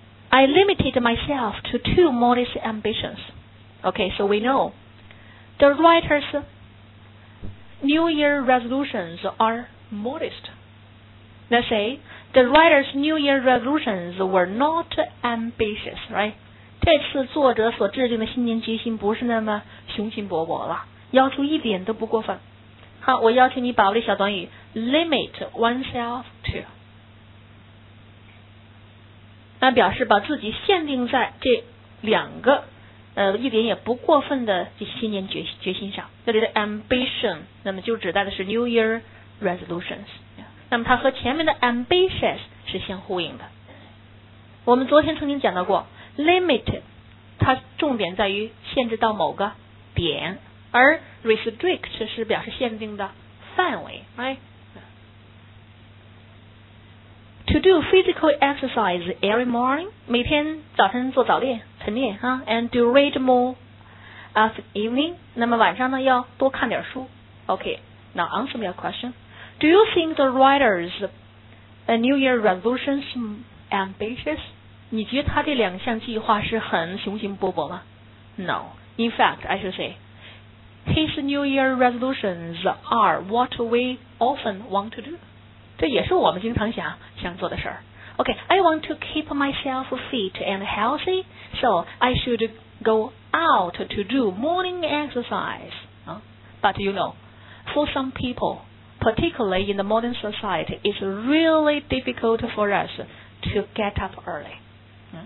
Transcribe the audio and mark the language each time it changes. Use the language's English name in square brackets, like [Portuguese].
[English] I limited myself to 2 modest ambitions. Okay, so we know. The writer's New Year resolutions are modest. Let's say, the writer's New Year resolutions were not ambitious, right? [Chinese] 这次作者所制定的新年决心不是那么雄心勃勃了，要求一点都不过分。好，我邀请你把握这小短语 limit oneself to 那表示把自己限定在这两个一点也不过分的新年决心上这里的 ambition 那么就指代的是 new year resolutions 那么它和前面的 ambitious 是相呼应的我们昨天曾经讲到过 limit 它重点在于限制到某个点而 restrict 是表示限定的范围 right? [English] To do physical exercise every morning [Chinese] 每天早晨做早练晨练、 [English] And to read more of the evening [Chinese] 那么晚上呢要多看点书 [English] OK, now answer me a question Do you think the writer's New Year resolutions ambitious? [Chinese] 你觉得他这两项计划是很雄心勃勃吗 [English] No, in fact, I should sayHis New Year resolutions are what we often want to do. [Chinese] 这也是我们经常想做的事儿。 [English] Okay, I want to keep myself fit and healthy, so I should go out to do morning exercise. But you know, for some people, particularly in the modern society, it's really difficult for us to get up early.